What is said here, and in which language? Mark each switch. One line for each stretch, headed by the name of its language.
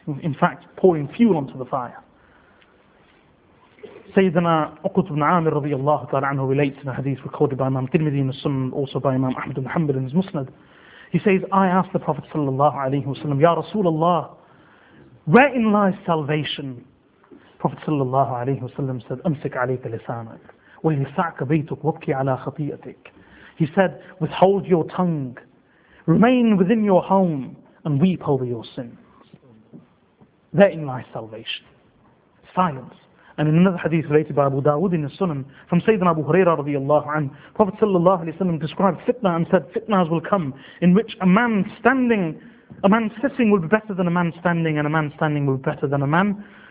English: In fact, pouring fuel onto the fire. Sayyidina Uqut ibn Amir radiallahu ta'ala anhu relates in a hadith recorded by Imam Tirmidhi in the Sunnah, also by Imam Ahmad ibn Hanbal in his Musnad. He says, I asked the Prophet sallallahu alayhi wa sallam, Ya Rasulullah, wherein lies salvation? Prophet sallallahu alayhi wa sallam said,
Arabic: أمسك عليك لسانك وليسعك بيتك وبكي على خطيئتك.
English: He said, withhold your tongue, remain within your home and weep over your sins. Therein lies salvation. Silence. And in another hadith related by Abu Dawud in the Sunan, from Sayyidina Abu Huraira radiallahu anhu, Prophet sallallahu alayhi wa sallam described fitna and said, fitnas will come in which a man sitting will be better than a man standing, and a man standing will be better than a man